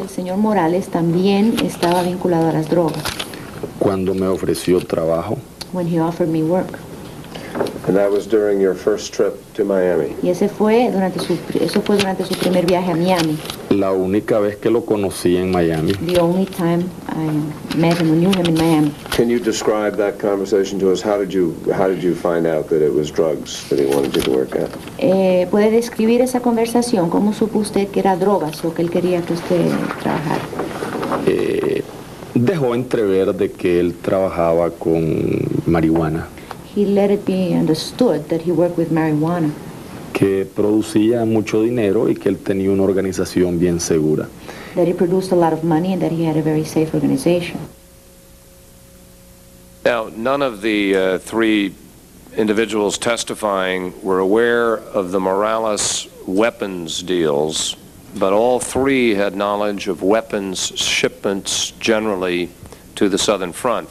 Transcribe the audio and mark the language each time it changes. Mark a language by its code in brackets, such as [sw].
[es] El señor Morales también estaba vinculado a las drogas? Cuando me ofreció trabajo. [en] When he offered me work. And that was during your first trip to Miami. [es] Y eso fue durante su primer viaje a Miami. La única vez que lo conocí en Miami. [en] The only time I met him or knew him in Miami. Can you describe that conversation to us? How did you find out that it was drugs that he wanted you to work at? [es] ¿Puede describir esa conversación? ¿Cómo supo usted que era drogas lo que él quería que usted trabajara? Dejó entrever de que él trabajaba con marihuana. [en] He let it be understood that he worked with marijuana. [es] Que producía mucho dinero y que él tenía una organización bien segura. [en] That he produced a lot of money and that he had a very safe organization. Now, none of the three individuals testifying were aware of the Morales weapons deals. But all three had knowledge of weapons shipments generally to the Southern Front.